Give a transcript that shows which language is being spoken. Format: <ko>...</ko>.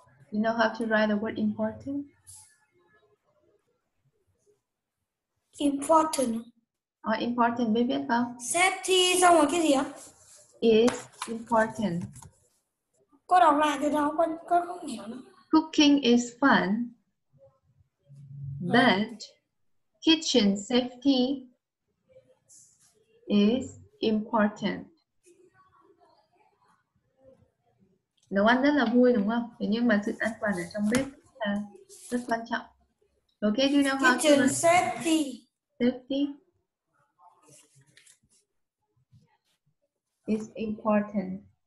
<en>You know how to write the word important? Important.</en> <vi>Oh, important, biết biết không? Safety xong rồi cái gì ạ?</vi> <en>Is important.</en> <vi>Cô đọc lại từ đó, con không hiểu nữa.</vi> <en>Cooking is fun, but kitchen safety is important.</en> <vi>Nấu ăn rất là vui đúng không? Thế nhưng mà sự an toàn ở trong bếp là rất quan trọng.</vi> <en>Ok, do you know how kitchen to... safety. Safety is important.</en>